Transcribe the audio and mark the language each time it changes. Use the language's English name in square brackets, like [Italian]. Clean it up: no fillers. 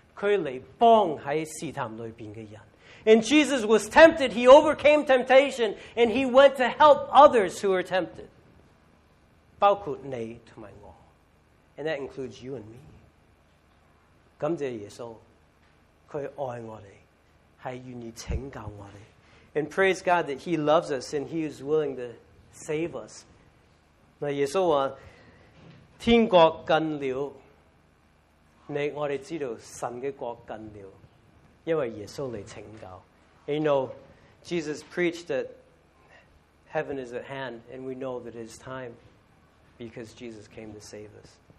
[Chinese] 耶稣受过试探，克服试探，他来帮在试探里边的人。 [English] And Jesus was tempted, he overcame temptation, and he went to help others who were tempted. [Chinese] 包括你和我。 [English] And that includes you and me. [Chinese] 感谢耶稣，他爱我们，是愿意拯救我们。 [English] And praise God that he loves us and he is willing to save us. [Chinese] 那耶稣说，天国近了，我们知道神的国近了，因为耶稣来拯救。 [English] And you know, Jesus preached that heaven is at hand and we know that it is time because Jesus came to save us.